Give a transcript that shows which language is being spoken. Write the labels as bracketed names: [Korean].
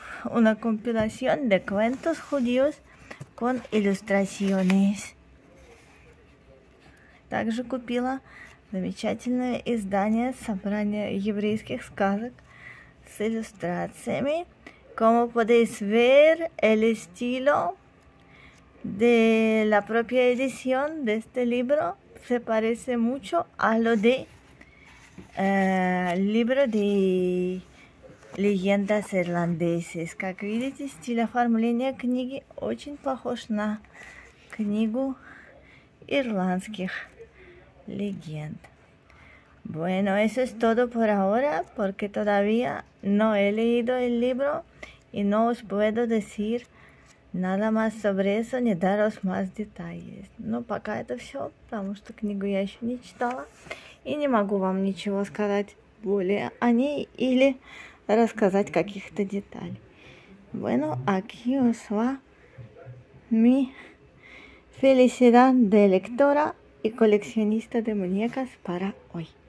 [Spanish] Una compilación de cuentos judíos con ilustraciones. [Russian] Также купила замечательное издание собрания еврейских сказок с иллюстрациями. [Spanish] Como podéis ver, el estilo de la propia edición de este libro se parece mucho a lo de libro de Легендас ирландесис. [Russian] Как видите, стиль оформления книги очень похож на книгу ирландских легенд. [Spanish] Bueno, eso es todo por ahora, porque todavía no he leído el libro y no os puedo decir nada más sobre eso ni daros más detalles. [Russian] Но пока это все, потому что книгу я еще не читала и не могу вам ничего сказать более о ней или рассказать каких-то деталей. [Spanish] Bueno, aquí os va mi felicidad de lectora y coleccionista de muñecas para hoy.